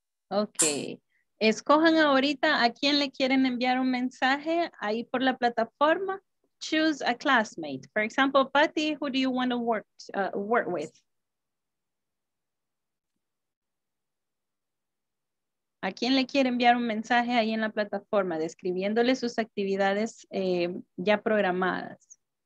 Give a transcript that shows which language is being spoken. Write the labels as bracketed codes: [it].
[es] Ok, escojan ahorita a quién le quieren enviar un mensaje ahí por la plataforma. [en] Choose a classmate. For example, Patty, who do you want to work with? [es] ¿A quién le quiere enviar un mensaje ahí en la plataforma describiéndole sus actividades ya programadas?